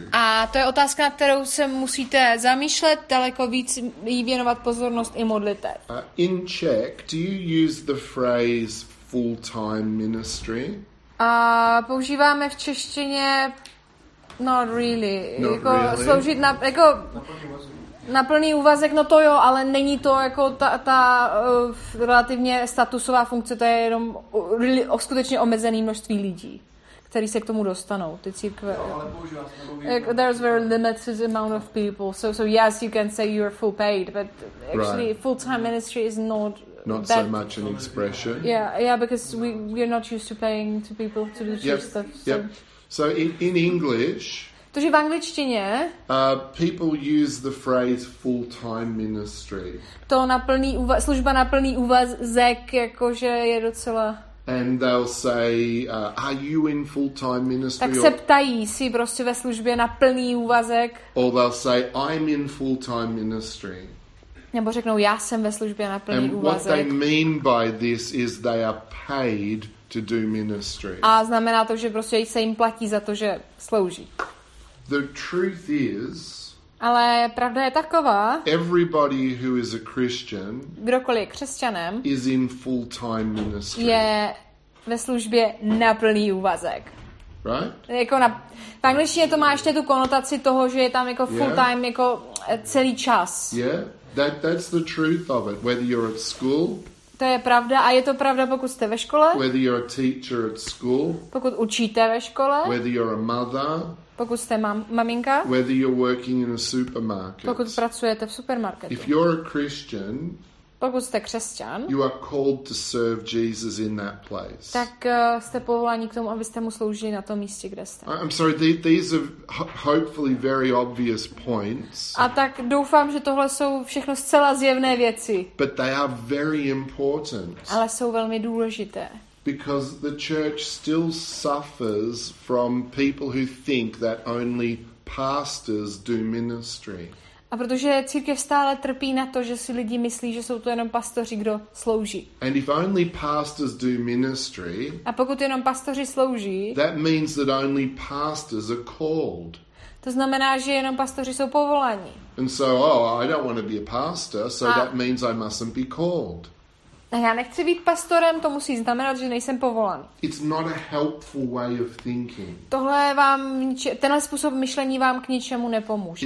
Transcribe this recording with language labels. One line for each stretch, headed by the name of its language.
Czech: A to je otázka, na kterou se musíte zamýšlet, daleko víc jí věnovat pozornost i modlitev.
English: In Czech, do you use the phrase full-time ministry?
Czech: A používáme v češtině
English: not really. Not
Czech: jako
English: really.
Czech: Sloužit na jako na plný úvazek, no to jo, ale není to jako ta relativně statusová funkce, to je jenom skutečně omezený množství lidí, který se k tomu dostanou. Ty církve. Jo, ale bohužel,
English: jako, there's very limited amount of people, so yes, you can say you're full paid, but actually right. Full-time ministry is not not that so much an expression. Yeah, because we're not used to paying to people to do yep, stuff. So in English.
Czech: Protože v angličtině
English: people use the phrase full-time ministry.
Czech: To na plný služba na plný úvazek jakože je docela.
English: And they'll say, are you in full-time ministry?
Czech: Tak se ptají, jsi prostě ve službě na plný úvazek?
English: Or they'll say, I'm in full-time ministry.
Czech: Nebo řeknou, já jsem ve službě na plný
English: and
Czech: úvazek.
English: What they mean by this is they are paid to do ministry.
Czech: A znamená to, že prostě se jim platí za to, že slouží.
English: The truth is,
Czech: ale pravda je taková,
English: everybody who is a Christian,
Czech: kdokoliv je křesťanem,
English: is in full-time ministry.
Czech: Je ve službě na plný úvazek.
English: Right?
Czech: Jako v angličtině to má ještě tu konotaci toho, že je tam jako full-time,
English: yeah.
Czech: Jako celý čas.
English: Yeah, that's the truth of it, whether you're at school,
Czech: To je pravda a je to pravda, pokud jste ve škole.
English: Whether you're a teacher at school.
Czech: Pokud učíte ve škole.
English: Whether you're a mother.
Czech: Pokud jste maminka.
English: Whether you're working in a supermarket.
Czech: Pokud pracujete v supermarketu.
English: If you're a Christian.
Czech: Pokud jste křesťan.
English: You are called to serve Jesus in that place.
Czech: Tak jste povoláni k tomu, abyste mu sloužili na tom místě, kde jste.
English: I'm sorry, these are hopefully very obvious points.
Czech: A tak doufám, že tohle jsou všechno zcela zjevné věci.
English: But they are very important.
Czech: Ale jsou velmi důležité.
English: Because the church still suffers from people who think that only pastors do ministry.
Czech: A protože církev stále trpí na to, že si lidi myslí, že jsou to jenom pastoři, kdo slouží.
English: And if only pastors do ministry,
Czech: a pokud jenom pastoři slouží,
English: that means that only pastors are called.
Czech: To znamená, že jenom pastoři jsou povoláni.
English: And so, oh, I don't want to be a pastor, so a that means I mustn't be called.
Czech: A já nechci být pastorem, to musí znamenat, že nejsem povolán.
English: It's not a helpful way of thinking.
Czech: Tohle vám, tenhle způsob myšlení vám k ničemu nepomůže.